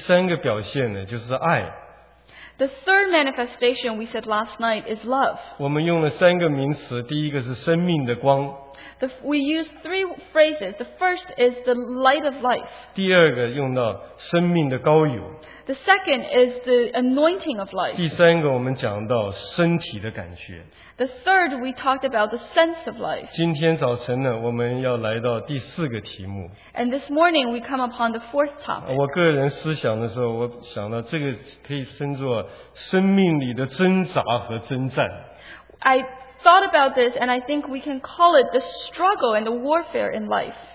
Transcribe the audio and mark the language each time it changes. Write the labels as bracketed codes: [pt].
[zh] 第三堂呢，我们讲到第三个表现呢，就是爱。 [en] The third manifestation we said last night is love. [zh] 我们用了三个名词，第一个是生命的光。 [en] We use three phrases. The first is the light of life. [zh] 第二个用到生命的膏油。 [en] The second is the anointing of life. [zh] 第三个我们讲到身体的感觉。 [en] The third we talked about the sense of life. [zh] 今天早晨呢，我们要来到第四个题目。 [en] And this morning we come upon the fourth topic. [zh] 我个人思想的时候，我想到这个可以称作生命里的挣扎和征战。 [en] I thought about this, and I think we can call it the struggle and the warfare in life.